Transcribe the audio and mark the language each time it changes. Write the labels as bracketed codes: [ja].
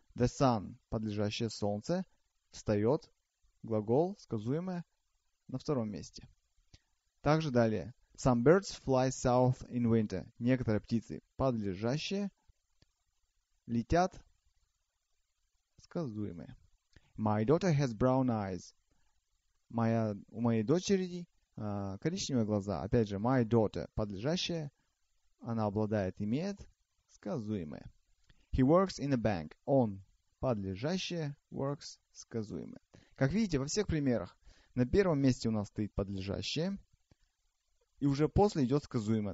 [en] The sun, [ru] подлежащее солнце, встает, глагол, сказуемое, на втором месте. Также далее. [en] Some birds fly south in winter. [ru] Некоторые птицы, подлежащее, летят, сказуемое. [en] My daughter has brown eyes. [ru] У моей дочери коричневые глаза. Опять же, [en] my daughter, [ru] подлежащее, она обладает, имеет, сказуемое. [en] He works in a bank. [ru] Он. Подлежащее, works, сказуемое. Как видите, во всех примерах на первом месте у нас стоит подлежащее, и уже после идет сказуемое.